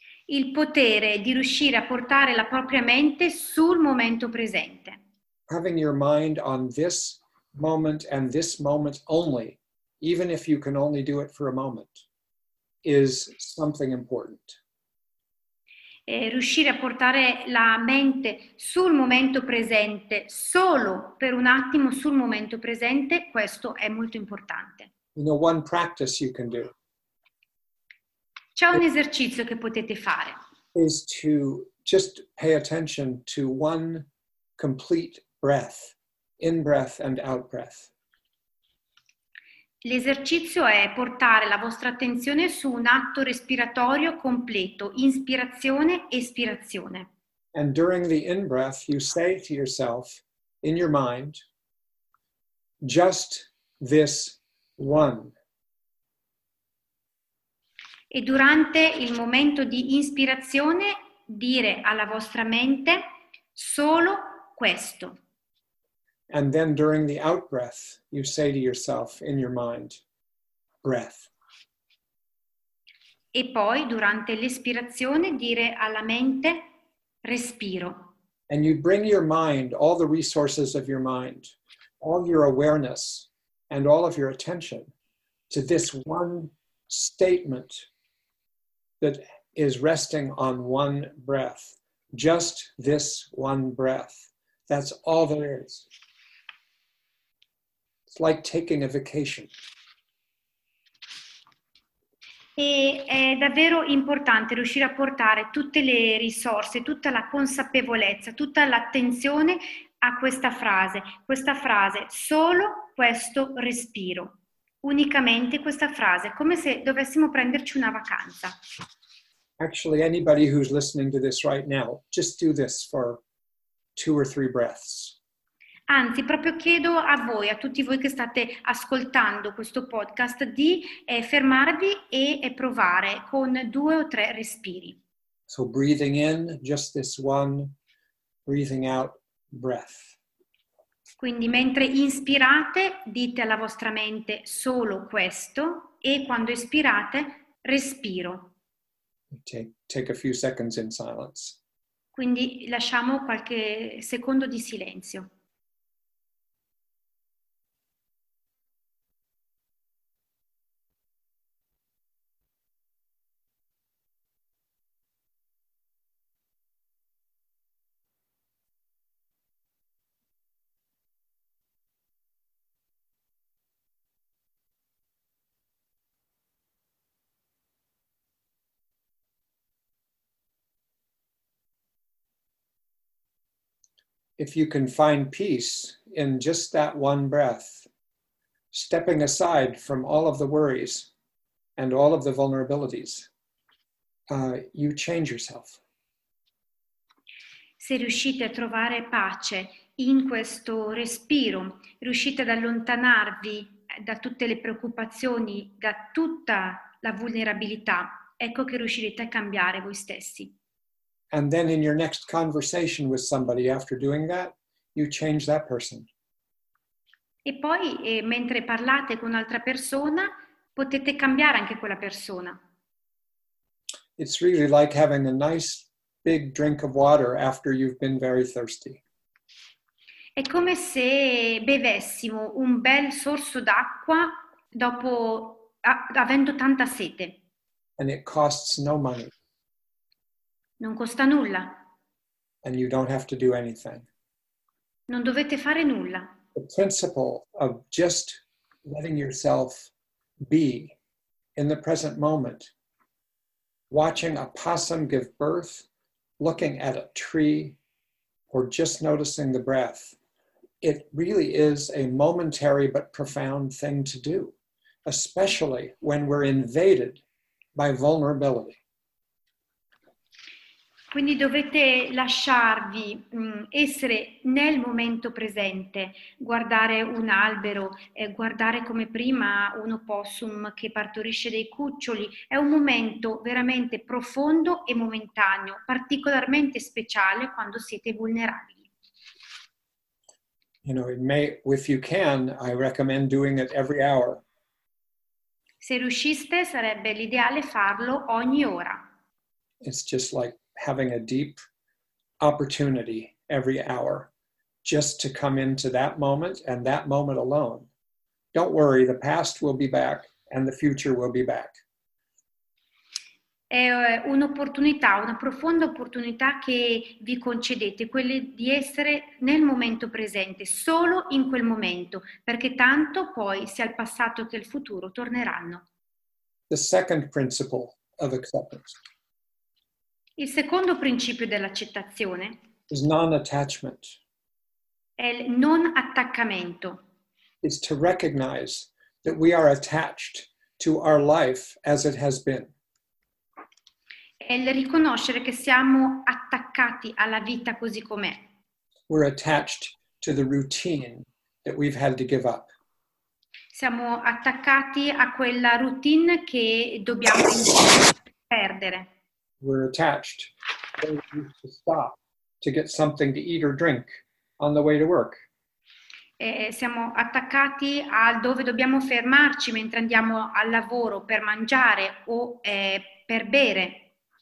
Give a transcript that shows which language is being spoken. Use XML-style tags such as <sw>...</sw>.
<it>Il potere di riuscire a portare la propria mente sul momento presente.</it> <en>Having your mind on this moment and this moment only, even if you can only do it for a moment, is something important.</en> <it>E riuscire a portare la mente sul momento presente, solo per un attimo sul momento presente, questo è molto importante.</it> <en>You know, one practice you can do.</en> <it>C'è un esercizio che potete fare.</it> <en>Is to just pay attention to one complete breath, in breath and out breath.</en> <it>L'esercizio è portare la vostra attenzione su un atto respiratorio completo, inspirazione, espirazione.</it> <en>And during the in breath, you say to yourself, in your mind, just this one.</en> <it>E durante il momento di inspirazione dire alla vostra mente solo questo.</it> <en>And then during the out breath you say to yourself in your mind breath.</en> <it>E poi durante l'espirazione dire alla mente respiro.</it> <en>And you bring your mind, all the resources of your mind, all your awareness and all of your attention to this one statement that is resting on one breath, just this one breath. That's all there is. It's like taking a vacation.</en> <it>E è davvero importante riuscire a portare tutte le risorse, tutta la consapevolezza, tutta l'attenzione a questa frase, solo questo respiro, unicamente questa frase, come se dovessimo prenderci una vacanza.</it> <en>Actually, anybody who's listening to this right now, just do this for two or three breaths.</en> <it>Anzi, proprio chiedo a voi, a tutti voi che state ascoltando questo podcast, di fermarvi e provare con due o tre respiri.</it> <en>So breathing in, just this one, breathing out, breath.</en> <it>Quindi mentre inspirate, dite alla vostra mente solo questo, e quando espirate, respiro.</it> <en>Take a few seconds in silence.</en> <it>Quindi lasciamo qualche secondo di silenzio.</it> <en>If you can find peace in just that one breath, stepping aside from all of the worries and all of the vulnerabilities, you change yourself.</en> <it>Se riuscite a trovare pace in questo respiro, riuscite ad allontanarvi da tutte le preoccupazioni, da tutta la vulnerabilità, ecco che riuscirete a cambiare voi stessi.</it> <en>And then in your next conversation with somebody after doing that, you change that person.</en> <it>E poi, mentre parlate con un'altra persona, potete cambiare anche quella persona.</it> <en>It's really like having a nice big drink of water after you've been very thirsty.</en> <it>È come se bevessimo un bel sorso d'acqua dopo avendo tanta sete.</it> <en>And it costs no money.</en> <it>Non costa nulla.</it> <en>And you don't have to do anything.</en> <it>Non dovete fare nulla.</it> <en>The principle of just letting yourself be in the present moment, watching a possum give birth, looking at a tree, or just noticing the breath, it really is a momentary but profound thing to do, especially when we're invaded by vulnerability.</en> <it>Quindi dovete lasciarvi essere nel momento presente, guardare un albero, guardare come prima un opossum che partorisce dei cuccioli. È un momento veramente profondo e momentaneo, particolarmente speciale quando siete vulnerabili.</it> <en>You know, it may, if you can, I recommend doing it every hour.</en> <it>Se riusciste, sarebbe l'ideale farlo ogni ora.</it> <en>It's just like having a deep opportunity every hour just to come into that moment and that moment alone. Don't worry, the past will be back and the future will be back.</en> <it>È un'opportunità, una profonda opportunità che vi concedete, quella di essere nel momento presente, solo in quel momento, perché tanto poi sia il passato che il futuro torneranno.</it> <en>The second principle of acceptance.</en> <it>Il secondo principio dell'accettazione</it> <en>is non-attachment.</en> <it>È il non attaccamento.</it> <en>It's to recognize that we are attached to our life as it has been.</en> <it>È il riconoscere che siamo attaccati alla vita così com'è.</it> <en>We're attached to the routine that we've had to give up.</en> <it>Siamo attaccati a quella routine che dobbiamo perdere.</it> <en>We're attached. We used to stop to get something to eat or drink on the way to work.</en> <it>Siamo attaccati a dove dobbiamo fermarci mentre andiamo al lavoro per mangiare o per bere.</it>